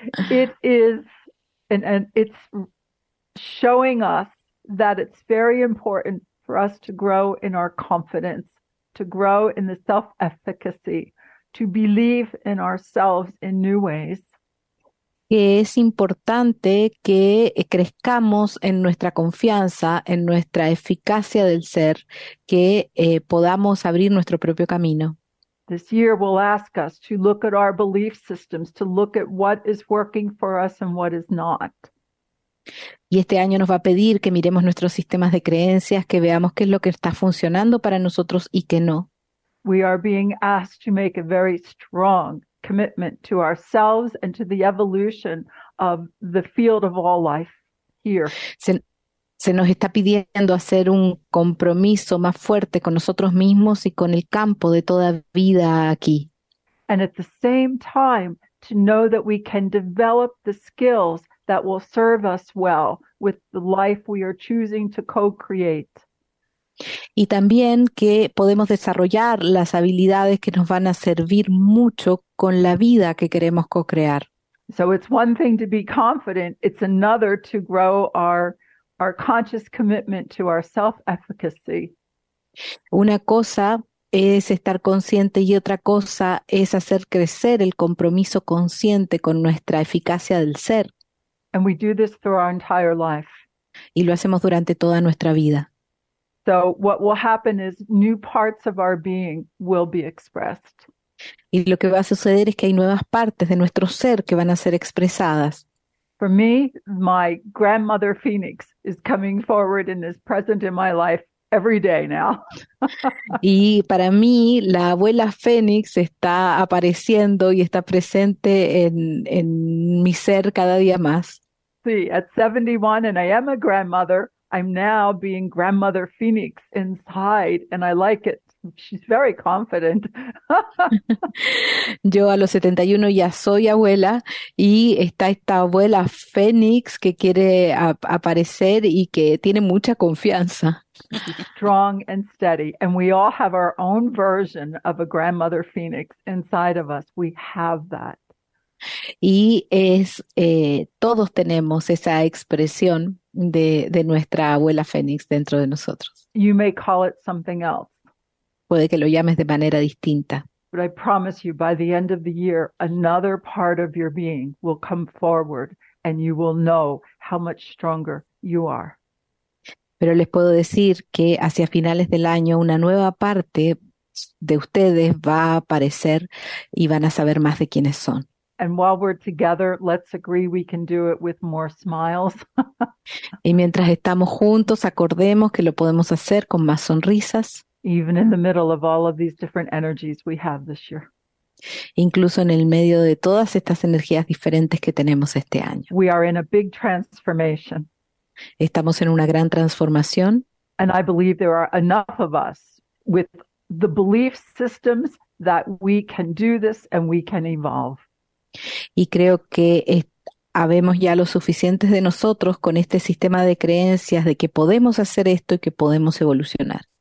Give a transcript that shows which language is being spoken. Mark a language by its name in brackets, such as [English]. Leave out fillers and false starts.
[English] It is, and it's showing us that it's very important for us to grow in our confidence, to grow in the self-efficacy, to believe in ourselves in new ways. [Spanish] que es importante que crezcamos en nuestra confianza, en nuestra eficacia del ser, que podamos abrir nuestro propio camino. [English] This year will ask us to look at our belief systems, to look at what is working for us and what is not. [Spanish] Y este año nos va a pedir que miremos nuestros sistemas de creencias, que veamos qué es lo que está funcionando para nosotros y qué no. [English] We are being asked to make a very strong commitment to ourselves and to the evolution of the field of all life here. [Spanish] Se nos está pidiendo hacer un compromiso más fuerte con nosotros mismos y con el campo de toda vida aquí. [English] And at the same time, to know that we can develop the skills that will serve us well with the life we are choosing to co-create. [Spanish] Y también que podemos desarrollar las habilidades que nos van a servir mucho con la vida que queremos co-crear. [English] So it's one thing to be confident, it's another to grow our conscious commitment to our self-efficacy. [Spanish] Una cosa es estar consciente y otra cosa es hacer crecer el compromiso consciente con nuestra eficacia del ser. [English] And we do this through our entire life. [Spanish] Y lo hacemos durante toda nuestra vida. [English] So what will happen is new parts of our being will be expressed. [Spanish] Y lo que va a suceder es que hay nuevas partes de nuestro ser que van a ser expresadas. [English] For me, my grandmother Phoenix is coming forward and is present in my life every day now. [Spanish] Y para mí, la abuela Fénix está apareciendo y está presente en mi ser cada día más. [English] See, at 71, and I am a grandmother, I'm now being Grandmother Phoenix inside, and I like it. She's very confident. [Spanish] Yo a los 71 ya soy abuela y está esta abuela Fénix que quiere aparecer y que tiene mucha confianza. [English] She's strong and steady, and we all have our own version of a Grandmother Phoenix inside of us. We have that. [Spanish] Y es todos tenemos esa expresión de nuestra abuela Fénix dentro de nosotros. [English] You may call it something else. [Spanish] Puede que lo llames de manera distinta. [English] But I promise you, by the end of the year, another part of your being will come forward and you will know how much stronger you are. [Spanish] Pero les puedo decir que hacia finales del año una nueva parte de ustedes va a aparecer y van a saber más de quiénes son. [English] And while we're together, let's agree we can do it with more smiles. [Spanish] Y mientras estamos juntos, acordemos que lo podemos hacer con más sonrisas. [English] Even in the middle of all of these different energies we have this year. [Spanish] Incluso en el medio de todas estas energías diferentes que tenemos este año. [English] We are in a big transformation. [Spanish] Estamos en una gran transformación. [English] And I believe there are enough of us with the belief systems that we can do this and we can evolve. [Spanish] Y creo que habemos ya los suficientes de nosotros con este sistema de creencias de que podemos hacer esto y que podemos evolucionar.